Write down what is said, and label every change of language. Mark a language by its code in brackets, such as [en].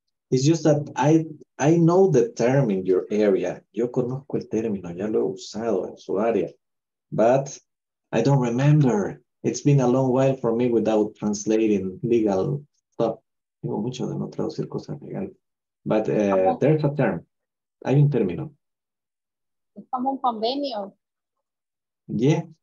[en] It's just that I know the term in your area. [es] Yo conozco el término, ya lo he usado en su área. [en] But I don't remember. It's been a long while for me without translating legal stuff. [es] Tengo mucho de no traducir cosas legales. [en] But there's a term. [es] Hay un término. Es como un convenio. Yeah.